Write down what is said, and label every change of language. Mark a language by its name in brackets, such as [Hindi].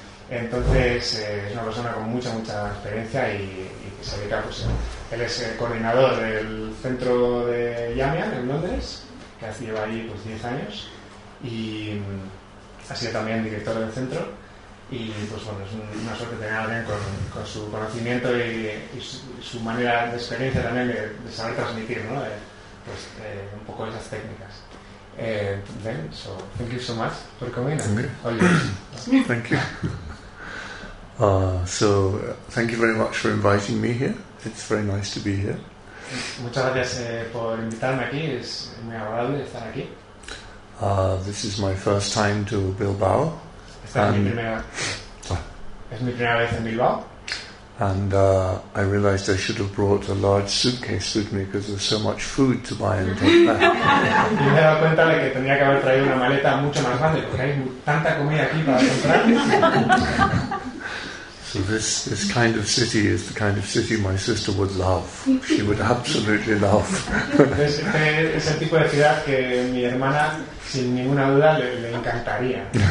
[Spanish] Entonces es una persona con mucha, mucha experiencia y que se dedica, pues él es el coordinador del centro de Yamian en Londres, que hace lleva ahí pues 10 años, y ha sido también director del centro. Y pues bueno, es una suerte tener a alguien con su conocimiento y su manera de experiencia también de saber transmitir, ¿no? Un poco esas técnicas. [English] Then, so thank you so much for coming. Thank you. Thank you. So thank you very much for inviting me here. It's very nice to be here. [Spanish] Muchas gracias por invitarme aquí. Es muy agradable estar aquí. [English] This is my first time to Bilbao. [Spanish] Es mi primera vez en Bilbao. [English] And I realized I should have brought a large suitcase with me because there's so much food to buy and take back. [Spanish] Y me he dado cuenta de que tenía que haber traído una maleta mucho más grande porque hay tanta comida aquí para comprar. [English] So this kind of city is the kind of city my sister would love. She would absolutely love. [Spanish] Es el tipo de ciudad que mi hermana, sin ninguna duda, le encantaría.